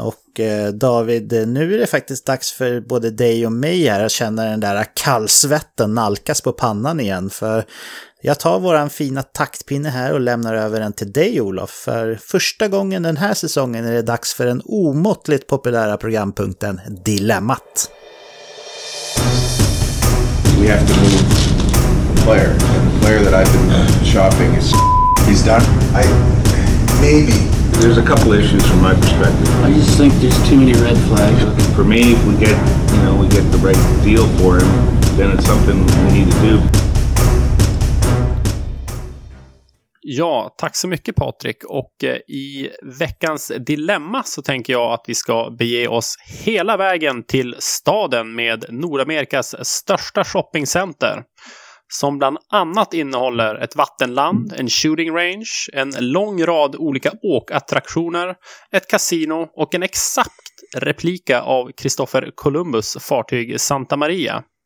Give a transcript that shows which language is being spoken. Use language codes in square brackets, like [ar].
[sv] Och David, nu är det faktiskt dags för både dig och mig här att känna den där kallsvetten nalkas på pannan igen. För jag tar våran fina taktpinne här och lämnar över den till dig, Olof. För första gången den här säsongen är det dags för den omåttligt populära programpunkten Dilemmat. [en] We have to move player. And the player that I've been shopping is he's done. Maybe. There's a couple issues from my perspective. I just think there's too many red flags. For me, if we get, you know, we get the right deal for him, then it's something we need to do. [sv] Ja, tack så mycket Patrik. Och i veckans dilemma så tänker jag att vi ska bege oss hela vägen till staden med Nordamerikas största shoppingcenter. Som bland annat innehåller ett vattenland, en shooting range, en lång rad olika åkattraktioner, ett kasino och en exakt replika av Christopher Columbus fartyg Santa Maria.